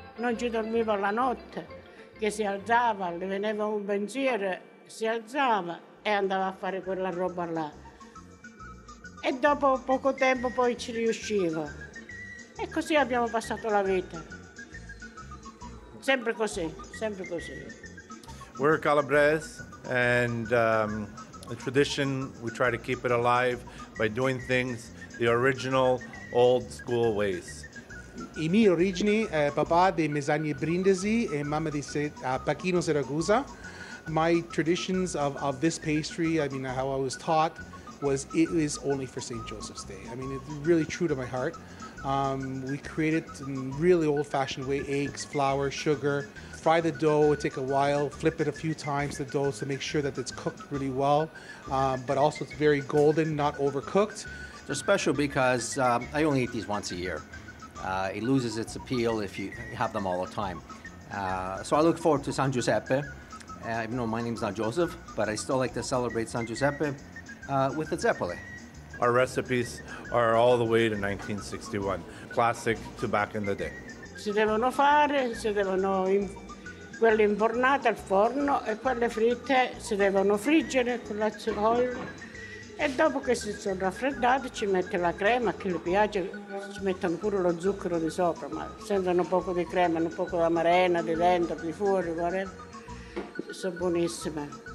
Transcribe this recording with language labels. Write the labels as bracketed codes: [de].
[it] Non ci dormiva la notte. Che si alzava, le veniva un pensiero, si alzava e andava a fare quella roba là. E dopo poco tempo poi ci riusciva. E così abbiamo passato la vita. Sempre così, sempre così. [en] We're Calabrese and the tradition, we try to keep it alive by doing things the original old school ways. [it] I miei origini, papà dei Mesagni Brindisi e mamma di Pacchino Siracusa. [en] My traditions of this pastry, I mean, how I was taught, was it is only for St. Joseph's Day. I mean, it's really true to my heart. We create it in really old-fashioned way, eggs, flour, sugar, fry the dough, it take a while, flip it a few times, the dough, to make sure that it's cooked really well, but also it's very golden, not overcooked. They're special because I only eat these once a year. It loses its appeal if you have them all the time. So I look forward to San Giuseppe. Even though my name's not Joseph, but I still like to celebrate San Giuseppe with the Zeppole. Our recipes are all the way to 1961, classic to back in the day. [it] Si devono fare, si devono quelle infornate al forno e quelle fritte si devono friggere con la cipolla. E dopo che si sono raffreddati ci mette la crema, che le piace, ci mettono pure lo zucchero di sopra, ma sentono un poco di crema, un poco di amarena, di dentro, di fuori, guarda. Sono buonissime.